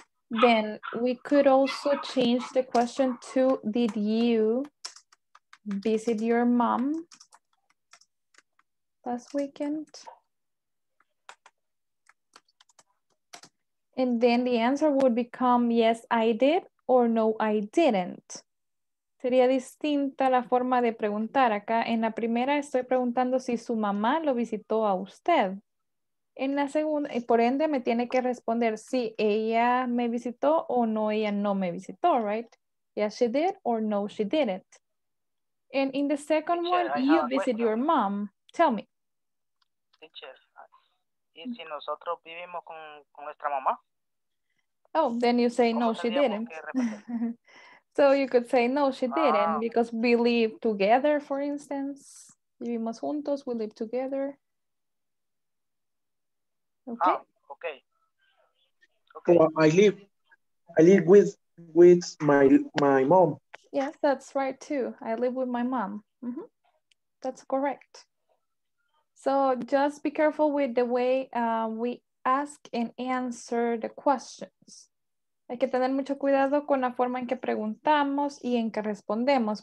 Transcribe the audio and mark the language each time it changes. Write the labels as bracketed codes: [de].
[en] Then we could also change the question to, did you visit your mom last weekend? And then the answer would become, yes, I did, or no, I didn't. [es] Sería distinta la forma de preguntar acá. En la primera estoy preguntando si su mamá lo visitó a usted. En la segunda, y por ende me tiene que responder si ella me visitó o no, ella no me visitó, right? [en] Yes, she did or no, she didn't. And in the second teacher, one, I you visit your mom. Tell me. [es] Teacher, ¿y si nosotros vivimos con nuestra mamá? [en] Oh, then you say no, she didn't. So you could say, no, she didn't, because we live together, for instance. [es] Vivimos juntos, [en] we live together. Okay. Okay. Well, I live with my mom. Yes, that's right, too. I live with my mom. Mm-hmm. That's correct. So just be careful with the way we ask and answer the questions. [es] Hay que tener mucho cuidado con la forma en que preguntamos y en que respondemos.